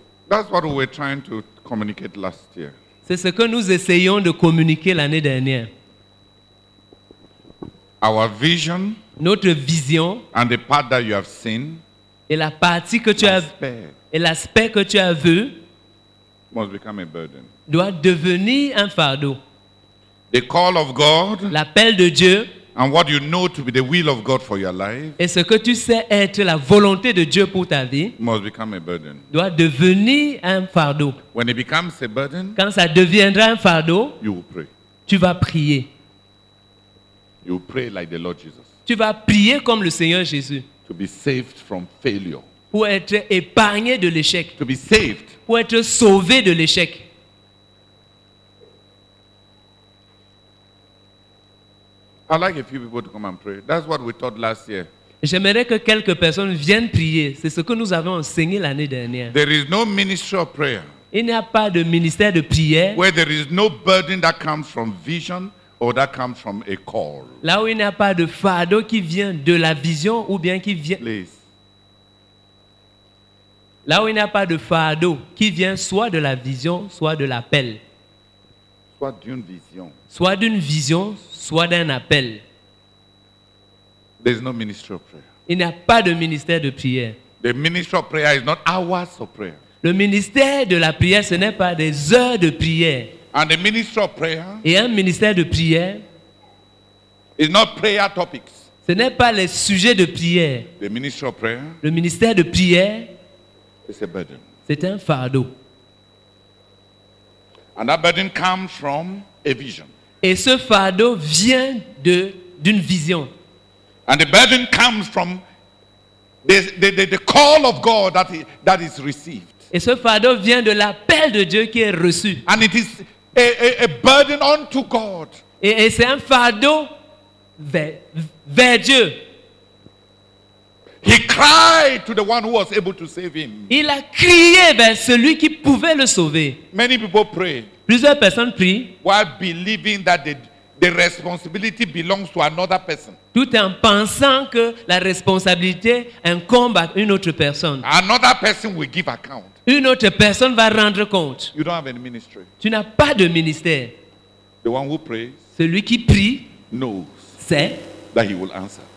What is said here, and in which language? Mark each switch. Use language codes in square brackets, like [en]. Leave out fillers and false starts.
[en] That's what we were trying to communicate last year. [fr] C'est ce que nous essayons de communiquer l'année dernière. [en] Our vision, [fr] notre vision, [en] and the part that you have seen, [fr] et la partie que tu as aspect, et l'aspect que tu as vu, [en] must become a burden. [fr] Doit devenir un fardeau. [en] The call of God, [fr] l'appel de Dieu, [en] and what you know to be the will of God for your life, [fr] et ce que tu sais être la volonté de Dieu pour ta vie, [en] must become a burden. [fr] Doit devenir un fardeau. [en] When it becomes a burden, [fr] quand ça deviendra un fardeau, [en] you will pray. [fr] Tu vas prier. [en] You pray like the Lord Jesus. [fr] Tu vas prier comme le Seigneur Jésus. [en] To be saved from failure. [fr] Pour être épargné de l'échec. [en] To be saved. [fr] Pour être sauvé de l'échec. [en] I'd like a few people to come and pray. That's what we taught last year. [fr] J'aimerais que quelques personnes viennent prier. C'est ce que nous avons enseigné l'année dernière. [en] There is no ministry of prayer. [fr] Il n'y a pas de ministère de prière. [en] Where there is no burden that comes from vision. Or that comes from a call. [fr] Là où il n'y a pas de fardeau qui vient de la vision ou bien qui vient. [en] Please. [fr] Là où il n'y a pas de fardeau qui vient soit de la vision, soit de l'appel. Soit d'une vision. Soit d'une vision, soit d'un appel. [en] There's no ministry of prayer. [fr] Il n'y a pas de ministère de prière. [en] The ministry of prayer is not hours of prayer. [fr] Le ministère de la prière, ce n'est pas des heures de prière. [en] And a ministry of prayer, [fr] et un ministère de prière, [en] is not prayer topics. [fr] Ce n'est pas les sujets de prière. [en] The ministry of prayer, [fr] le ministère de prière, [en] is a burden. [fr] C'est un fardeau. [en] And that burden comes from a vision. [fr] Et ce fardeau vient de d'une vision. [en] And the burden comes from the call of God that is received. [fr] Et ce fardeau vient de l'appel de Dieu qui est reçu. [en] And it is a burden unto God. [fr] Et c'est un fardeau vers Dieu. [en] He cried to the one who was able to save him. [fr] Il a crié vers celui qui pouvait le sauver. [en] Many people pray. [fr] Plusieurs personnes prient. [en] While believing that the responsibility belongs to another person. [fr] Tout en pensant que la responsabilité incombe à une autre personne. [en] Another person will give account. [fr] Une autre personne va rendre compte. [en] You don't have any ministry. [fr] Tu n'as pas de ministère. [en] The one who prays. [fr] Celui qui prie. [en] Knows. [fr] Sait. [en] That he will answer.